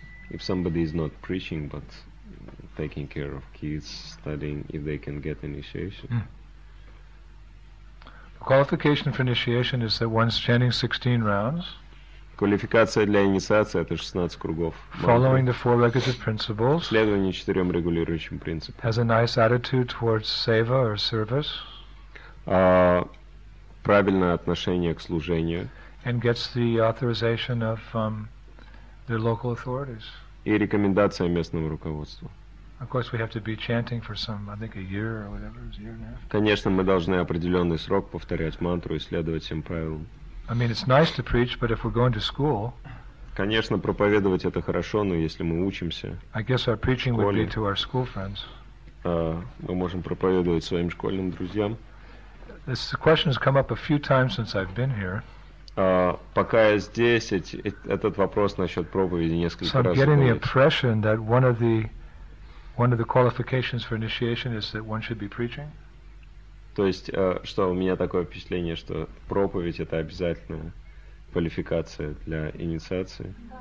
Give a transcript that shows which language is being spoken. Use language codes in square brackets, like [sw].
[en] If somebody is not preaching but taking care of kids, studying, if they can get initiation. Mm. The qualification for initiation is that one's chanting 16 rounds. [ru] Квалификация для инициации — это 16 кругов. [en] Following the four requisite principles. [ru] Следование четырем регулирующим принципам. [en] Has a nice attitude towards seva or service. [ru] Правильное отношение к служению. [en] And gets the authorization of their local authorities. [ru] И рекомендация местного руководства. [en] Of course, we have to be chanting for some, I think, a year or whatever, it's a year and a half. [ru] Конечно, мы должны определенный срок повторять мантру и следовать всем правилам. [en] I mean, it's nice to preach, but if we're going to school. [ru] Конечно, проповедовать это хорошо, но если мы учимся. [en] I guess our preaching would be to our school friends. [ru] Мы можем проповедовать своим школьным друзьям. [en] This question has come up a few times since I've been here. [ru] Пока я здесь, этот вопрос насчет проповеди несколько раз. [en] So I'm getting the impression that one of the qualifications for initiation is that one should be preaching. [ru] То есть, что у меня такое впечатление, что проповедь — это обязательная квалификация для инициации.